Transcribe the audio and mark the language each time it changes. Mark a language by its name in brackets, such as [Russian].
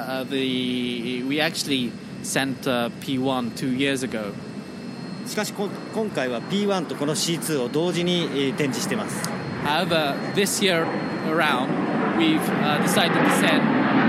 [English] We actually sent P-1 2 years ago. [Japanese] しかし今回は P-1 とこの C-2 を同時に展示してます。 [English] However, this year around, we've decided to send...